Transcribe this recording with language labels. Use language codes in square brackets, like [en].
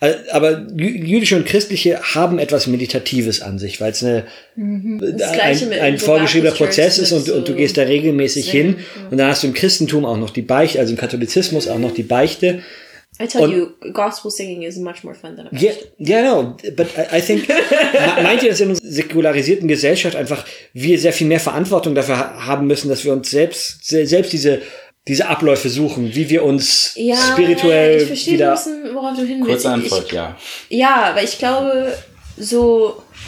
[de] Aber jüdische und christliche haben etwas Meditatives an sich, weil es ein vorgeschriebener Prozess ist und du gehst da regelmäßig hin. Und dann hast du im Christentum auch noch die Beichte, also im Katholizismus auch noch die Beichte. [en] I tell you, gospel singing is much more fun than a [de] Beichte. [en] But I think, [de] meint ihr, dass in unserer säkularisierten Gesellschaft einfach wir sehr viel mehr Verantwortung dafür haben müssen, dass wir uns selbst diese Abläufe suchen, wie wir uns spirituell wieder... Ja, ich verstehe ein bisschen, worauf du hin willst. Kurze Antwort, Ja, weil ich glaube, so...